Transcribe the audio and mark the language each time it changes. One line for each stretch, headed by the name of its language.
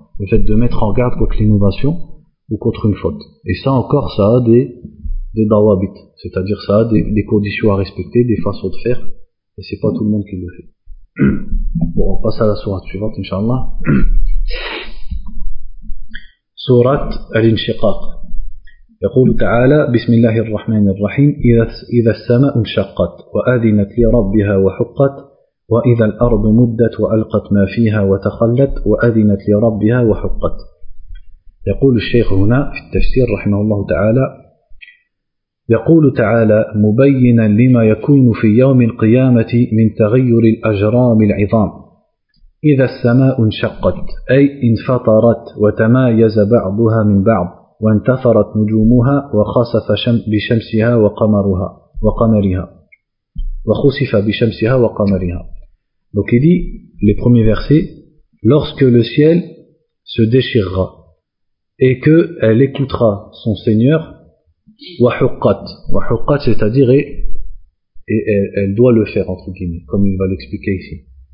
French: Le fait de mettre en garde contre l'innovation ou contre une faute. Et ça encore, ça a des dawabit. C'est-à-dire, ça a des conditions à respecter, des façons de faire. Et c'est pas tout le monde qui le fait. Bon, on passe à la sourate suivante, Inch'Allah. Sourate Al-Inshiqaq.
Arabic: يقول تعالى بسم الله الرحمن الرحيم: إذا السماء انشقت وأذنت لربها وحقت، وإذا الأرض مدت وألقت ما فيها وتخلت وأذنت لربها وحقت. يقول الشيخ هنا في التفسير رحمه الله تعالى: يقول تعالى مبينا لما يكون في يوم القيامة من تغير الأجرام العظام: إذا السماء انشقت، أي انفطرت وتمايز بعضها من بعض، وانتثرت نجومها وخسف بشمسها وقمرها وقمرها وخسف بشمسها وقمرها.
French: Donc il dit, les premiers versets, lorsque le ciel se déchirera et qu'elle écoutera son Seigneur, wahuqqat, c'est-à-dire, et elle doit le faire, entre guillemets, comme il va l'expliquer ici.